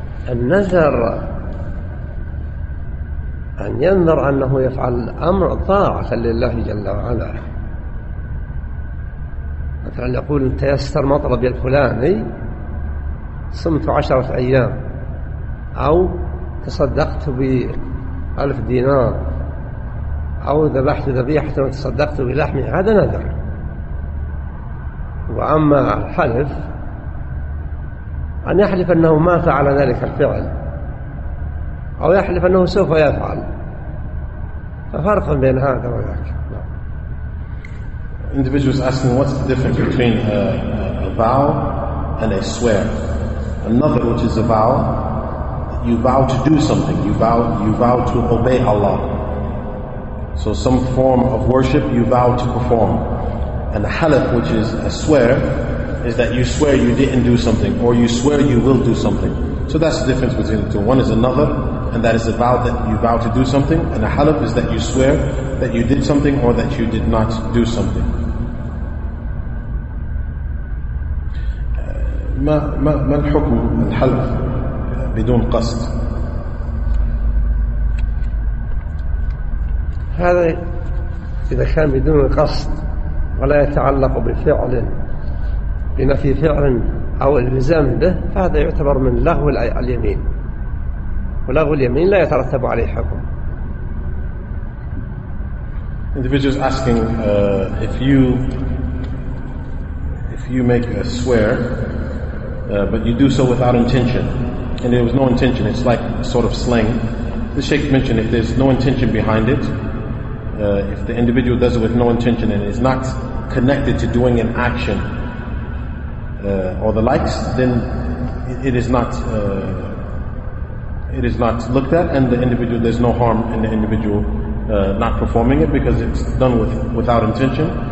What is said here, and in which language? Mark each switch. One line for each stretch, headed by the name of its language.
Arabic: النذر أن ينذر أنه يفعل أمر طاعة لله جل وعلا، مثلا يقول تيسر مطلبي الفلاني صمت 10 أيام أو تصدقت بألف دينار أو ذبحت ذبيحة وتصدقت بلحمي، هذا نذر. وأما الحلف أن يحلف أنه ما فعل ذلك الفعل أو يحلف أنه سوف يفعل، ففرق بين هذا وذاك.
English: Individuals asking what's the difference between a vow and a swear. Another which is a vow, you vow to do something, you vow to obey Allah. So some form of worship you vow to perform. And a halaf, which is a swear, is that you swear you didn't do something, or you swear you will do something. So that's the difference between the two. One is another, and that is a vow that you vow to do something. And a halaf is that you swear that you did something or that you did not do something.
Arabic: ما الحكم الحلف بدون قصد؟ هذا إذا كان بدون قصد ولا يتعلق بفعل بنفي فعل أو الزام به، فهذا يعتبر من لغو اليمين، ولغو اليمين لا يترتب عليه حكم.
English: Individuals asking if you make a swear but you do so without intention and there was no intention, it's like sort of slang. The Sheikh mentioned if there's no intention behind it, if the individual does it with no intention and is not connected to doing an action or the likes, then it is not looked at, and the individual, there's no harm in the individual not performing it because it's done without intention.